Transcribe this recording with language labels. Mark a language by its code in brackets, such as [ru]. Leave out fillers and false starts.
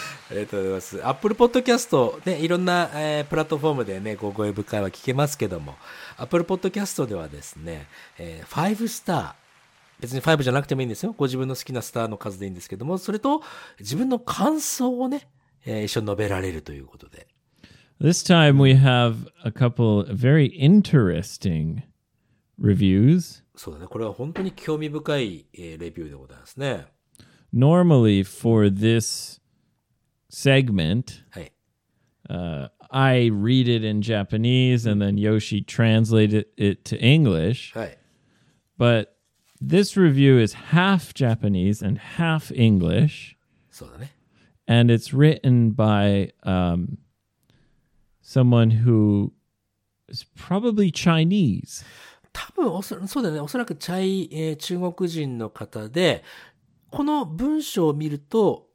[ja] ありがとうございます。Apple Podcast、ね、いろんな、プラットフォームでね、ご声深いは聞けますけども。 Apple Podcast ではですね、5スター。別に5じゃなくてもいいんですよ。ご自分の好きなスターの数でいいんですけども、それと自分の感想をね、一緒に述べられるということで。 [en] This time we have a couple very interesting reviews. [ja] そうだね。これは本当に興味深い、レビューでございますね。 [en] Normally for this segment,、 [ja] はい [en] I read it in Japanese and then Yoshi translated it to English. But this review is half Japanese and half English. [ja] そうだね。 [en] And it's written by someone who is probably Chinese. [ja] 多分そうだね。おそらく中国人の方で、この文章を見ると、